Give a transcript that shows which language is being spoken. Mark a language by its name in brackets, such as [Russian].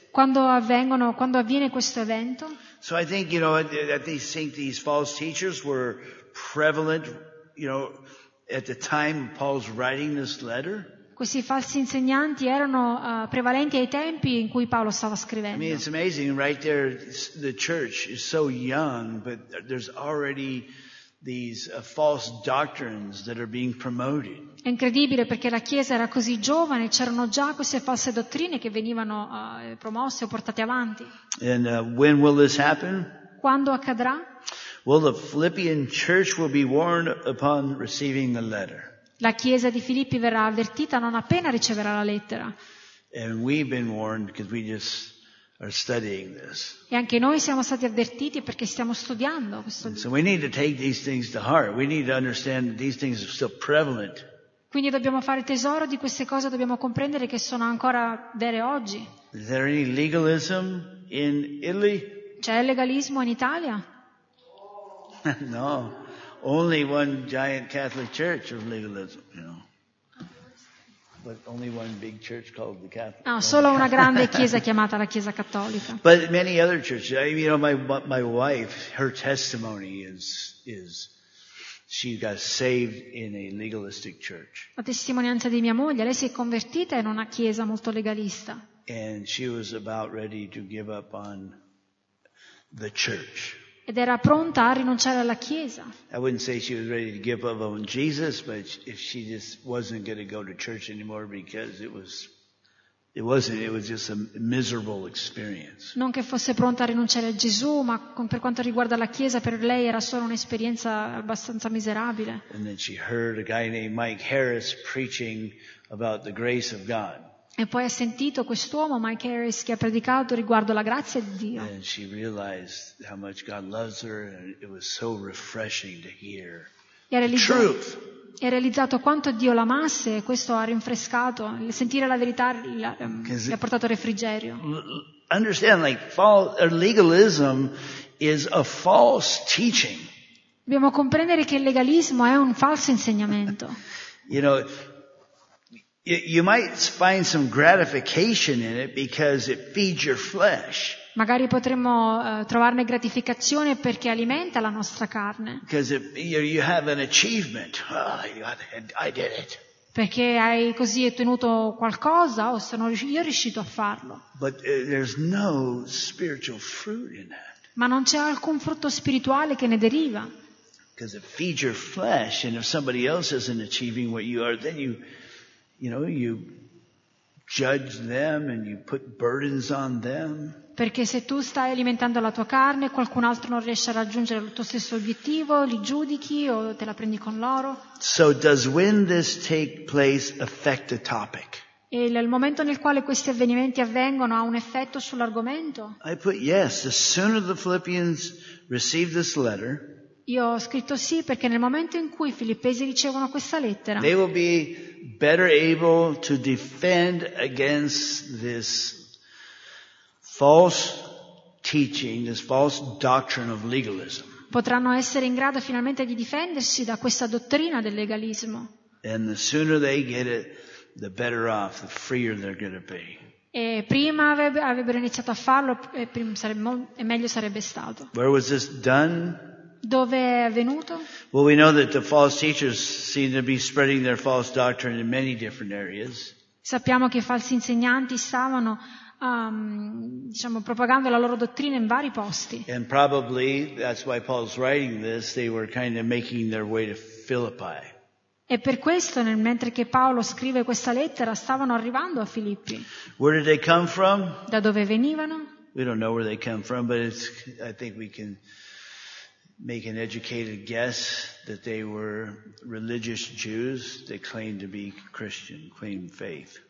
[Italian] Quando avviene questo evento? [English] So I think, you know, these false teachers were prevalent, you know, at the time Paul's writing this letter. [Italian] Questi falsi insegnanti erano prevalenti ai tempi in cui Paolo stava scrivendo. [English] I mean, it's amazing, right there, the church is so young, but there's already these false doctrines that are being promoted. [Italian] È incredibile perché la chiesa era così giovane e c'erano già queste false dottrine che venivano promosse o portate avanti. [English] And when will this happen? [Italian] Quando accadrà? [English] Well, the Philippian church will be warned upon receiving the letter. [Italian] La chiesa di Filippi verrà avvertita non appena riceverà la lettera. [English] And we've been warned because we just are studying this. [Italian] E anche noi siamo stati avvertiti perché stiamo studiando questo. [English] So we need to take these things to heart. We need to understand that these things are still prevalent. [Italian] Quindi dobbiamo fare tesoro di queste cose, dobbiamo comprendere che sono ancora vere oggi. [English] Is there any legalism in Italy? [Italian] C'è legalismo in Italia? No. [English] Only one giant Catholic church of legalism, you know. But only one big church called the Catholic. [Italian] No, solo una grande chiesa chiamata la Chiesa Cattolica. [English] But many other churches. You know, my wife, her testimony is she got saved in a legalistic church. [Italian] La testimonianza di mia moglie, lei si è convertita in una chiesa molto legalista. [English] And she was about ready to give up on the church. [Italian] Ed era pronta a rinunciare alla chiesa. [English] I wouldn't say she was ready to give up on Jesus, but if she just wasn't going to go to church anymore because it was just a miserable experience. [Italian] Non che fosse pronta a rinunciare a Gesù, ma per quanto riguarda la chiesa, per lei era solo un'esperienza abbastanza miserabile. [English] And then she heard a guy named Mike Harris preaching about the grace of God. [Italian] E poi ha sentito quest'uomo, Mike Harris, che ha predicato riguardo la grazia di Dio. [English] And she realized how much God loves her, and it was so refreshing to hear the truth. [Italian] E ha realizzato quanto Dio l'amasse, e questo ha rinfrescato, sentire la verità gli ha portato refrigerio. [English] Understand, like, legalism is a false teaching. [Italian] Dobbiamo comprendere che il legalismo è un falso insegnamento. [English] You know, you might find some gratification in it because it feeds your flesh. [Italian] Magari potremmo trovarne gratificazione perché alimenta la nostra carne. [English] Because you have an achievement. Oh, I did it. [Italian] Perché hai così ottenuto qualcosa o sono io riuscito a farlo. [English] But there's no spiritual fruit in that. [Italian] Ma non c'è alcun frutto spirituale che ne deriva. [English] Because it feeds your flesh, and if somebody else isn't achieving what you are, then you judge them and you put burdens on them. [Italian] Perché se tu stai alimentando la tua carne e qualcun altro non riesce a raggiungere il tuo stesso obiettivo, li giudichi o te la prendi con loro. [English] So does when this take place affect the topic? [Italian] E il momento nel quale questi avvenimenti avvengono ha un effetto sull'argomento? [English] I put yes, the sooner the Philippians receive this letter. [Italian] Io ho scritto sì perché nel momento in cui i filippesi ricevono questa lettera, [English] they will be better able to defend against this false teaching, this false doctrine of legalism. [Italian] Potranno essere in grado finalmente di difendersi da questa dottrina del legalismo. [English] And the sooner they get it, the better off, the freer they're going to be. [Italian] E prima avrebbero iniziato a farlo e meglio sarebbe stato. [English] Where was this done? [Italian] Dove è avvenuto? [English] Well, we know that the false teachers seem to be spreading their false doctrine in many different areas. [Italian] Sappiamo che i falsi insegnanti stavano diciamo, propagando la loro dottrina in vari posti. [English] And probably that's why Paul's writing this, they were kind of making their way to Philippi. [Italian] E per questo, mentre che Paolo scrive questa lettera, stavano arrivando a Filippi. [English] Where did they come from? [Italian] Da dove venivano? [English] We don't know where they come from, but it's, I think we can make an educated guess that they were religious Jews that claimed to be Christian, claimed faith.